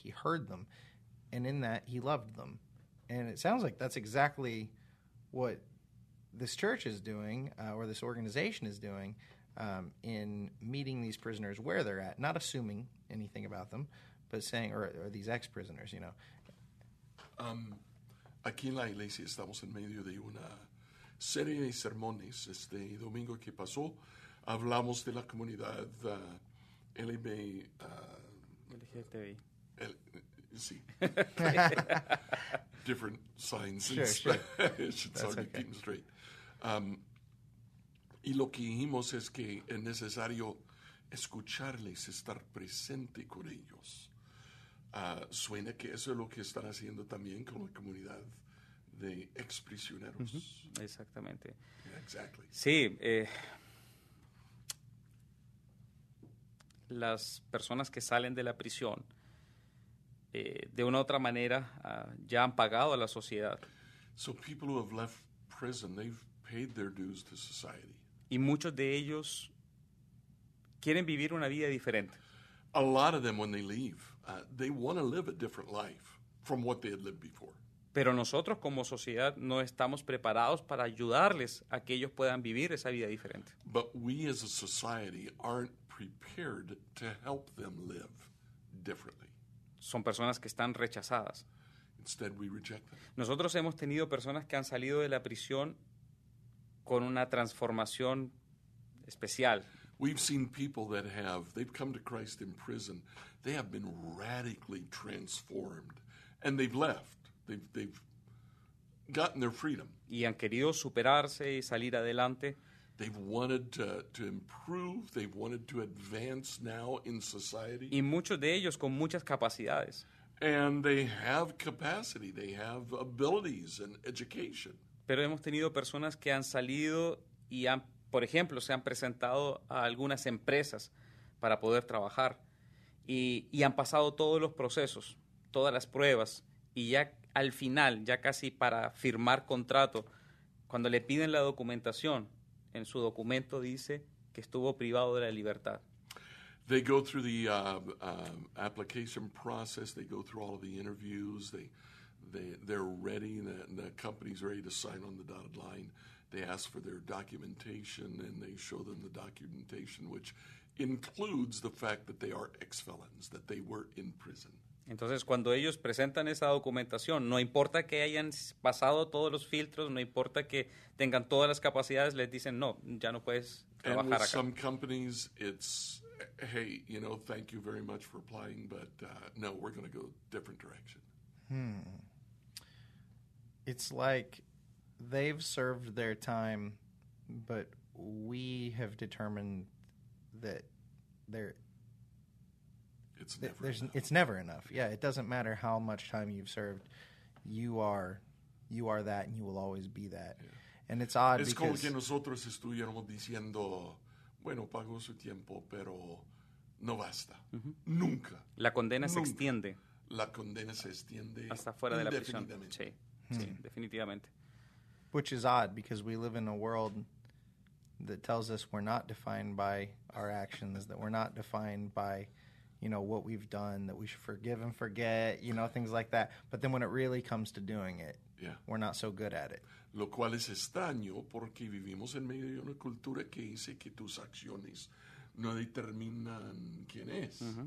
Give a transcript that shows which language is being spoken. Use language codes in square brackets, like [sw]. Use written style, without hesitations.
[en] He heard them, and in that, he loved them. And it sounds like that's exactly what this church is doing, or this organization is doing, in meeting these prisoners where they're at, not assuming anything about them, but saying, or these ex-prisoners, you know. [es] Aquí en la iglesia estamos en medio de una serie de sermones. Este domingo que pasó, hablamos de la comunidad LGTBI. Sí. [en] Different signs. Sure, sure. It's hard to keep them straight. [es] Y lo que dijimos es que es necesario escucharles, estar presente con ellos. Suena que eso es lo que están haciendo también con la comunidad de exprisioneros. Mm-hmm. Exactamente. [en] Yeah, exactly. [es] Sí. Las personas que salen de la prisión, de una u otra manera, ya han pagado a la sociedad. [en] So people who have left prison, they've paid their dues to society. [es] Y muchos de ellos quieren vivir una vida diferente. [en] A lot of them, when they leave, they want to live a different life from what they had lived before. [es] Pero nosotros como sociedad no estamos preparados para ayudarles a que ellos puedan vivir esa vida diferente. [en] But we as a society aren't prepared to help them live differently. [es] Son personas que están rechazadas. [en] Instead, we reject them. [es] Nosotros hemos tenido personas que han salido de la prisión con una transformación especial. [en] We've seen people that have, they've come to Christ in prison, they have been radically transformed, and they've left. They've gotten their freedom. [es] Y han querido superarse y salir adelante. [en] They've wanted to improve, they've wanted to advance now in society. [es] Y muchos de ellos con muchas capacidades. [en] And they have capacity, they have abilities and education. [es] Pero hemos tenido personas que han salido y han, por ejemplo, se han presentado a algunas empresas para poder trabajar y han pasado todos los procesos, todas las pruebas y ya al final, ya casi para firmar contrato, cuando le piden la documentación, en su documento dice que estuvo privado de la libertad. [en] They go through the application process, they go through all of the interviews, they're ready, the company's ready to sign on the dotted line. They ask for their documentation and they show them the documentation, which includes the fact that they are ex-felons, that they were in prison. [es] Entonces, cuando ellos presentan esa documentación, no importa que hayan pasado todos los filtros, no importa que tengan todas las capacidades, les dicen, no, ya no puedes trabajar [en] and with [es] acá. [en] Some companies, it's, hey, you know, thank you very much for applying, but no, we're going to go a different direction. Hmm. It's like they've served their time, but we have determined that they're... It's never enough. Yeah, it doesn't matter how much time you've served. You are that, and you will always be that. Yeah. And it's odd [es] es [en] because... [es] Es como que nosotros estuviéramos diciendo, bueno, pagó su tiempo, pero no basta. Mm-hmm. Nunca. La condena se extiende. La condena se extiende hasta fuera de la prisión. Sí, definitivamente. [en] Which is odd because we live in a world that tells us we're not defined by our actions, that we're not defined by... you know, what we've done, that we should forgive and forget, you know, things like that. But then when it really comes to doing it, yeah, we're not so good at it. [es] Lo cual es extraño porque vivimos en medio de una cultura que dice que tus acciones no determinan quién es.